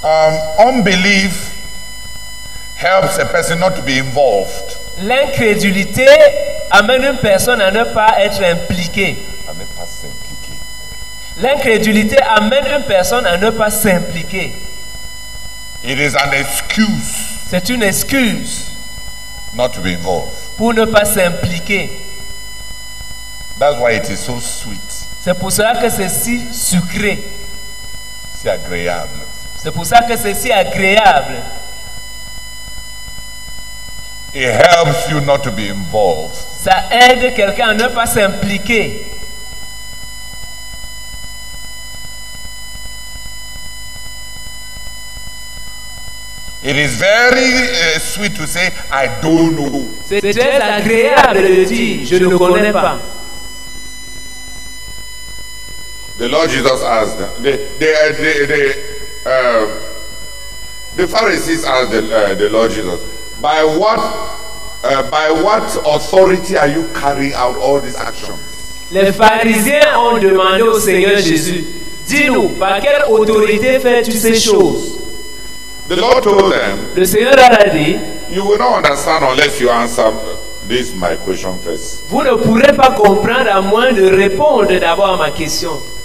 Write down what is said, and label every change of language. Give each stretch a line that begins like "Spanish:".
English: Unbelief helps a person not to be involved.
French: L'incrédulité amène une personne à ne pas être impliquée. À ne pas s'impliquer. L'incrédulité amène une personne à ne pas s'impliquer.
English: It is an excuse.
French: C'est une excuse.
English: Not to be involved.
French: Pour ne pas s'impliquer.
English: That's why it is so sweet.
French: C'est pour cela que c'est si sucré. Si agréable. C'est pour ça que c'est si agréable.
English: It helps you not to be involved.
French: Ça aide quelqu'un à ne pas s'impliquer.
English: It is very sweet to say I don't know.
French: C'est très agréable de dire je ne connais pas.
English: The Lord Jesus asked them. The Pharisees asked the Lord Jesus, by what authority are you carrying out all these actions?
French: Les pharisiens ont demandé au Seigneur Jésus, dis-nous, par quelle autorité fais-tu ces choses?
English: The Lord told them,
French: le Seigneur a dit,
English: you will not understand unless you answer this my question first.
French: Vous ne pourrez pas comprendre à moins de répondre d'abord à ma question.